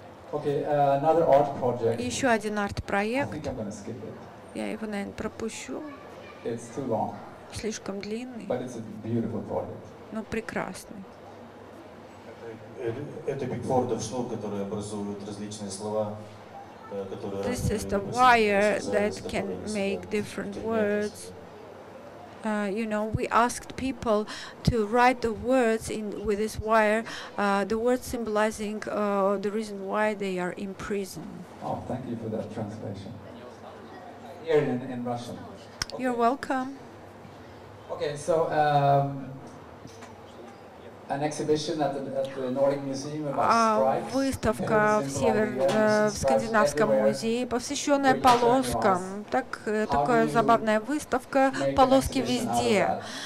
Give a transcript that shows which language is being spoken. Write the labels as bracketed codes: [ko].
[ru] Еще один арт-проект. Я его, наверное, пропущу. [en] It's too long. [ru] Слишком длинный. [en] But it's a beautiful project. [ru] Но прекрасный. Это бигвордов слов, которые образуют различные слова, которые. [en] This is the wire that can make different words. You know, we asked people to write the words in with this wire, the words symbolizing the reason why they are in prison. Oh, thank you for that translation. Here in Russian. Okay. You're welcome. Okay, so an exhibition at the Nordic Museum about Sprite. [ru] Выставка в Скандинавском музее, посвященная полоскам. Такая забавная выставка, полоски везде.